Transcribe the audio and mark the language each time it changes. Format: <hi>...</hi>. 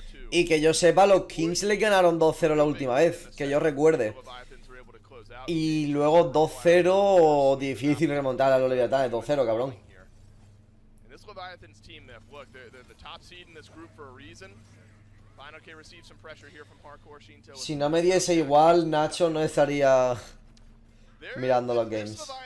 <es>Y que yo sepa, los Kings le ganaron 2-0 la última vez, que yo recuerde. Y luego 2-0, difícil remontar a los Leviatanes, 2-0, cabrón.</es> <en>Leviathan's team, Miff. Look, they're the top seed in this group for a reason. Final K received some pressure here from Hardcore Shinto.</en> <es>Si no me diese igual, Nacho no estaría mirando los games.</es>